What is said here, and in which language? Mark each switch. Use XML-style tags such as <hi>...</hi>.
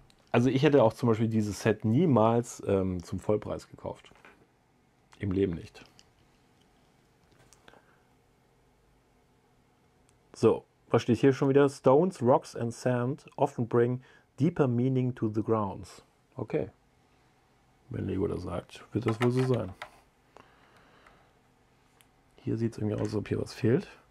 <de>Also ich hätte auch zum Beispiel dieses Set niemals zum Vollpreis gekauft. Im Leben nicht. So, was steht hier schon wieder?</de> <en>Stones, rocks and sand often bring deeper meaning to the grounds. Okay.</en> <de>Wenn Lego das sagt, wird das wohl so sein. Hier sieht es irgendwie aus, als ob hier was fehlt.</de>